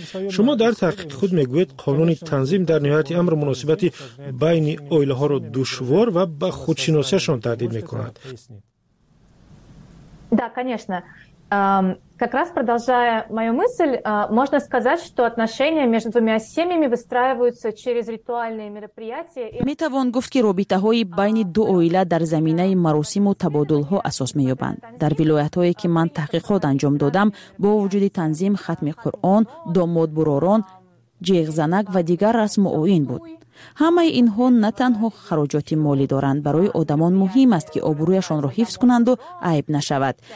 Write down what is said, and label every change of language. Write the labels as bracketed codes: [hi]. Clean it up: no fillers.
[fa] شما در تحقیق خود میگوید قانون تنظیم در نهایت امر مناسبت بین اویله ها رو دشوار و به خودشناسیشون تهدید میکند. [ru] Да, конечно. Как раз продолжая мою мысль, можно сказать, что отношения между двумя семьями выстраиваются через ритуальные мероприятия. [tg] Метавон [fa] گفت که رابطه‌های بین دو اویله در زمینه مراسم و تبادل‌ها اساس می‌یابند. در ولایت‌هایی که من تحقیقات انجام دادم، با وجود تنظیم ختم قرآن، داماد بروران، جیغ زنک و دیگر رسم و آیین بود. همه اینها نه تنها خراجات مالی دارند، برای آدمان مهم است که آبرویشان را حفظ کنند و عیب نشود.